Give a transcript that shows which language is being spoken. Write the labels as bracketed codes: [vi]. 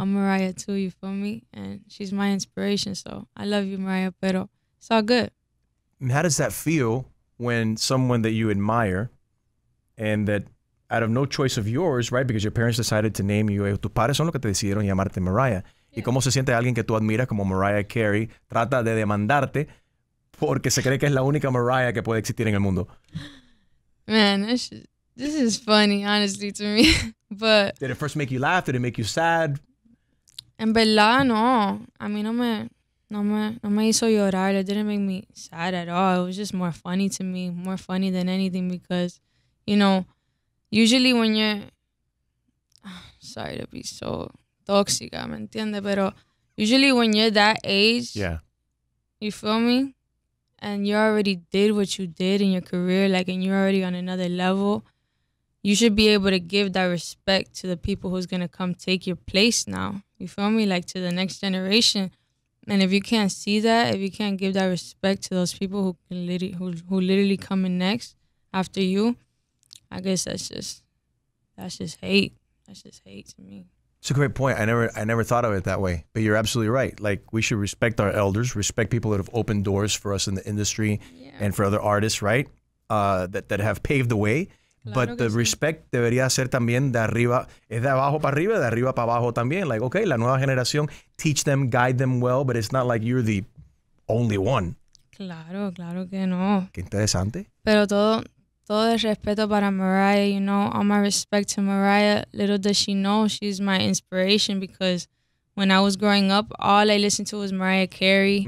[en] I'm Mariah too, you feel me? And she's my inspiration, so I love you, Mariah, pero it's all good. How does that feel when someone that you admire and that out of no choice of yours, right, because your parents decided to name you, [es] tus padres son los que te decidieron llamarte Mariah. Yeah. ¿Y cómo se siente alguien que tú admiras como Mariah Carey trata de demandarte porque se cree que es la única Mariah que puede existir en el mundo? [en] Man, this is funny, honestly, to me. But did it first make you laugh? Did it make you sad? [es] En verdad, no. A mí no me hizo llorar. [en] It didn't make me sad at all. It was just more funny to me, more funny than anything, because, you know, usually when you're... Sorry to be so tóxica, [es] ¿me entiendes? Pero [en] usually when you're that age, yeah, you feel me? And you already did what you did in your career, like, and you're already on another level, you should be able to give that respect to the people who's going to come take your place now. You feel me? Like, to the next generation. And if you can't see that, if you can't give that respect to those people who literally coming next after you, I guess that's just hate. That's just hate to me. It's a great point. I never thought of it that way, but you're absolutely right. Like, we should respect our elders, respect people that have opened doors for us in the industry, yeah, and for other artists, right? That have paved the way. [es] Claro, [en] but the [es] sí. Respect debería ser también de arriba, es de abajo para arriba, de arriba para abajo también. [en] Like, okay, [es] la nueva generación, [en] teach them, guide them well, but it's not like you're the only one. [es] Claro, claro que no. Qué interesante. Pero todo el respeto para Mariah, [en] you know, all my respect to Mariah. Little does she know, she's my inspiration, because when I was growing up, all I listened to was Mariah Carey.